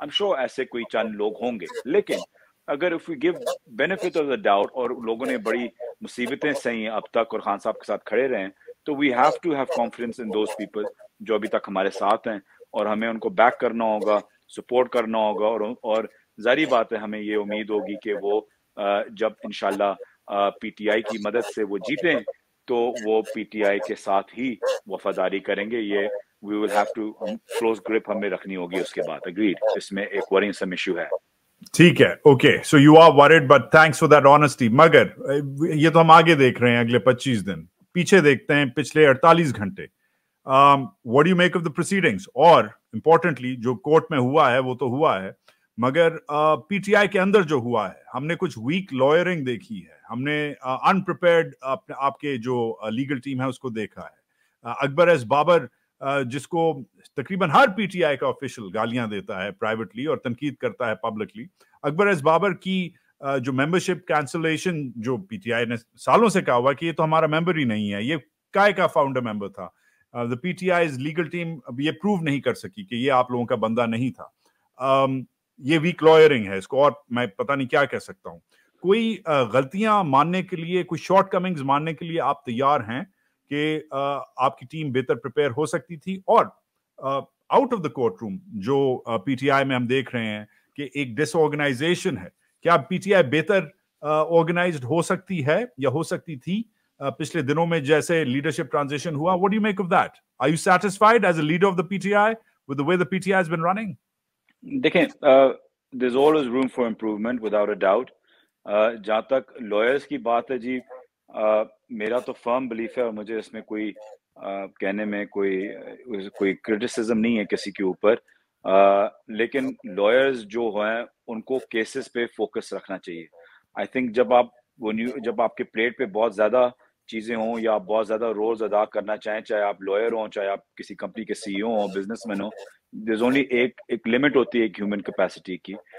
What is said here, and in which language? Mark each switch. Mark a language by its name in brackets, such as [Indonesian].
[Urdu] I am sure ایسے کوئی چند لوگ ہوں گے, لیکن اگر if we give benefit of the doubt اور لوگوں نے بڑی مصیبتیں سہی ہیں اب تک اور خان صاحب کے ساتھ کھڑے رہے ہیں, تو [English] we have to have confidence in those people [Urdu] جو ابھی تک ہمارے ساتھ ہیں, اور ہمیں ان کو بیک کرنا ہوگا, سپورٹ کرنا ہوگا, اور ظاہری بات ہے ہمیں یہ امید ہوگی کہ وہ جب انشاءاللہ پی ٹی آئی کی مدد سے وہ جیتیں تو وہ پی ٹی آئی کے ساتھ ہی وفاداری کریں گے. یہ وی will have to close grip ہمیں رکھنی ہوگی اس کے بعد. اگریڈ, اس میں ایک وری سم ایشو ہے. ٹھیک ہے, okay, [English] So you are worried but thanks for that honesty. [Urdu] مگر یہ تو ہم آگے دیکھ رہے ہیں اگلے 25 دن, پیچھے دیکھتے ہیں پچھلے 48 گھنٹے. [English] What do you make of the proceedings? [Urdu] Or, importantly, جو کورٹ میں ہوا ہے وہ تو ہوا ہے, مگر پی ٹی آئی کے اندر جو ہوا ہے, ہم نے کچھ ویک لائرنگ دیکھی ہے, ہم نے انپریپیئرڈ آپ کے جو لیگل ٹیم ہے اس کو دیکھا ہے, اکبر ایس بابر جس کو تقریباً ہر پی ٹی آئی کا آفیشیل گالیاں دیتا ہے پرائیویٹلی اور تنقید کرتا ہے پبلکلی, اکبر ایس بابر کی جو ممبرشپ کینسلیشن جو پی ٹی آئی نے سالوں سے کہا ہوا کہ یہ تو ہمارا ممبر ہی نہیں ہے, یہ کائے کا فاؤنڈر ممبر تھا, [English] the PTI's legal team [Urdu] یہ پروو نہیں کر سکی کہ یہ آپ لوگوں کا بندہ نہیں تھا. یہ ویک لائرنگ ہے, اس کو اور میں پتا نہیں کیا کہہ سکتا ہوں. کوئی غلطیاں ماننے کے لیے, کوئی شارٹ کمنگز ماننے کے لیے آپ تیار ہیں کہ آپ کی ٹیم بہتر پریپیئر ہو سکتی تھی, اور آؤٹ آف دا کورٹ روم جو پی ٹی آئی میں ہم دیکھ رہے ہیں کہ ایک ڈس آرگنائزیشن ہے, کیا پی ٹی آئی بہتر آرگنائزڈ ہو سکتی ہے یا ہو سکتی تھی پچھلے دنوں میں جیسے لیڈرشپ ٹرانزیشن ہوا؟ [English] What do you make of that? Are you satisfied as a leader of the PTI with the way the PTI has been running? [Urdu] دیکھیں, [English] there's always room for improvement without a doubt. [Urdu] جہاں تک lawyers کی بات ہے جی, میرا تو firm belief ہے اور مجھے اس میں کوئی کہنے میں کوئی کرٹیسزم نہیں ہے کسی کے اوپر, لیکن لائرز جو ہیں ان کو کیسز پہ فوکس رکھنا چاہیے. آئی تھنک جب آپ کے پلیٹ پہ بہت زیادہ چیزیں ہوں یا آپ بہت زیادہ رولز ادا کرنا چاہیں, چاہے آپ لائر ہوں, چاہے آپ کسی کمپنی کے سی ای او ہوں, بزنس مین ہوں, دیر از اونلی ایک لمٹ ہوتی ہے ایک ہیومن کیپیسٹی کی.